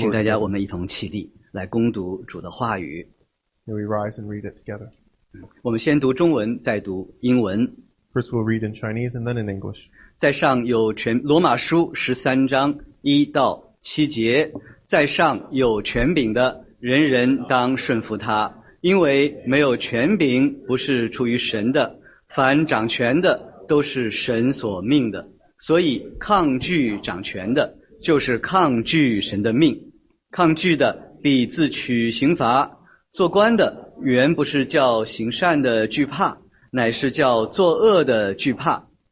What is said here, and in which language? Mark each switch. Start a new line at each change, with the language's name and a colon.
Chinese: 请大家我们一同起立来恭读主的话语。
English: May we rise and read it together.
Chinese: 我们先读中文，再读英文。
English: First we'll read in Chinese and then in English.
Chinese: 在上有权，罗马书十三章一到七节，在上有权柄的，人人当顺服他，因为没有权柄不是出于神的，凡掌权的都是神所命的，所以抗拒掌权的，就是抗拒神的命，抗拒的必自取刑罚，做官的原不是叫行善的惧怕，乃是叫作恶的惧怕。